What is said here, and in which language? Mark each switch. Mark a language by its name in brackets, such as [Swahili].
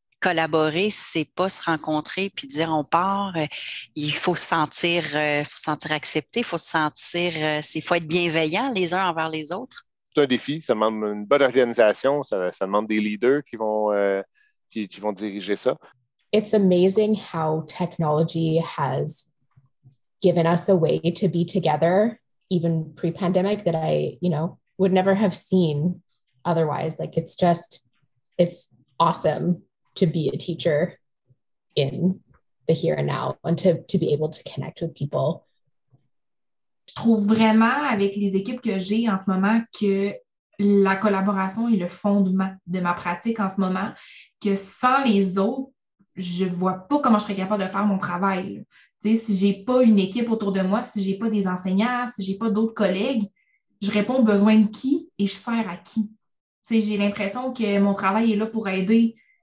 [French] Collaborer, c'est pas se rencontrer puis dire on part. Il faut se sentir accepté, il faut se sentir, il faut être bienveillant les uns envers les autres. C'est un défi, ça demande une bonne organisation, ça demande des leaders qui vont diriger ça. [English] It's amazing how technology has given us a way to be together, even pre-pandemic, that I, you know, would never have seen otherwise. Like it's awesome to be a teacher in the here and now and to be able to connect with people. [French] Je trouve vraiment avec les équipes que j'ai en ce moment que la collaboration est le fondement de ma pratique en ce moment, que sans les autres, je vois pas comment je serais capable de faire mon travail. Tu sais, si j'ai pas une équipe autour de moi, si j'ai pas des enseignants, si j'ai pas d'autres collègues, je réponds aux besoins de qui et je sers à qui. Tu sais, j'ai l'impression que mon travail est là pour aider